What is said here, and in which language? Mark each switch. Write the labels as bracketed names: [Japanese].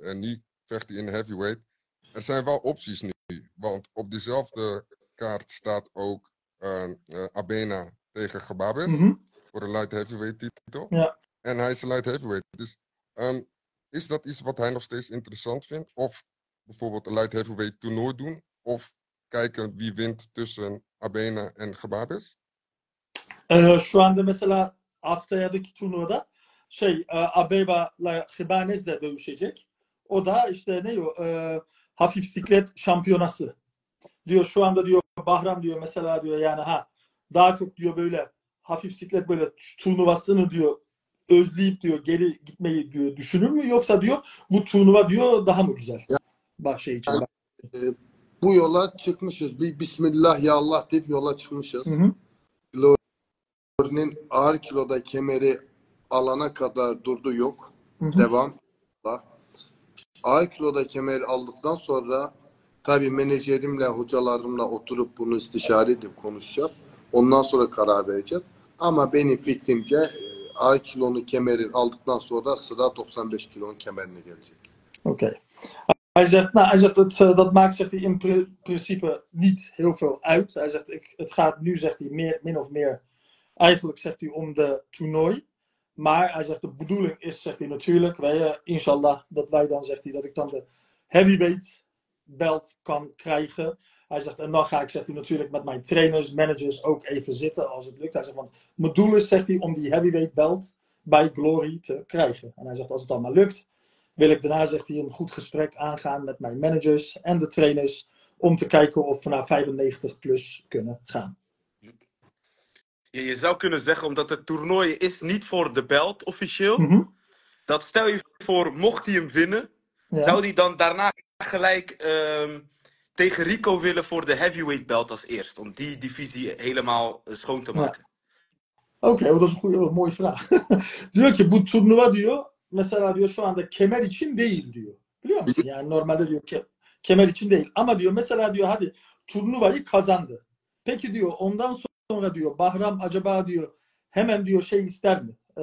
[Dutch] En nu vecht hij in heavyweight. Er zijn wel opties nu, want op dezelfde kaart staat ook Abena tegen Gebabes voor een light heavyweight titel. Ja. En hij is een light heavyweight. Dus is dat iets wat hij nog steeds interessant vindt? Of bijvoorbeeld een light heavyweight toernooi doen? Of kijken wie wint tussen Abena en Gebabes? [Turkish] Şu anda mesela haftayadaki turnuvada şey Abeba ile Gebabes de dövüşecek. O da işte ne diyor? Hafif siklet şampiyonası. Diyor şu anda diyor Bahram diyor mesela diyor yani ha daha çok diyor böyle hafif siklet böyle turnuvasını diyor özleyip diyor geri gitmeyi diyor düşünür mü yoksa diyor bu turnuva diyor daha mı güzel? Bahşey için. Yani, bu yola çıkmışız. Bir bismillah ya Allah deyip yola çıkmışız. Lorin'in ağır kiloda kemeri alana kadar durdu yok. Devam. Ağır kiloda kemeri aldıktan sonra tabii menajerimle, hocalarımla oturup bunu istişare edip konuşacağız. Ondan sonra karar vereceğiz. Ama benim fikrimce ağır kilonu kemeri aldıktan sonra sıra 95 kilonun kemerine gelecek. [English] Okay. [Dutch] Hij zegt, nou, hij zegt dat, dat maakt zegt hij, in principe niet heel veel uit. Hij zegt, het gaat nu, zegt hij, meer, min of meer, eigenlijk zegt hij, om de toernooi. Maar hij zegt, de bedoeling is, zegt hij, natuurlijk, wij, inshallah, dat wij dan, zegt hij, dat ik dan de heavyweight belt kan krijgen. Hij zegt, en dan ga ik, zegt hij, natuurlijk met mijn trainers, managers ook even zitten als het lukt. Hij zegt, want mijn doel is, zegt hij, om die heavyweight belt bij Glory te krijgen. En hij zegt, als het dan maar lukt, wil ik daarna, zegt hij, een goed gesprek aangaan met mijn managers en de trainers om te kijken of we naar 95 plus kunnen gaan. Je zou kunnen zeggen, omdat het toernooi is niet voor de belt officieel, dat stel je voor, mocht hij hem winnen, zou hij dan daarna gelijk tegen Rico willen voor de heavyweight belt als eerst, om die divisie helemaal schoon te maken? Ja. Oké, okay, dat is een goede, mooie vraag. [Turkish] Diyor ki, bu turnuva diyor, mesela diyor, şu anda kemer için değil diyor. Biliyor musun? Yani normalde diyor, kemer için değil. Ama diyor, mesela diyor, hadi turnuvayı kazandı. Peki diyor, ondan sonra sonra diyor Bahram acaba diyor hemen diyor şey ister mi?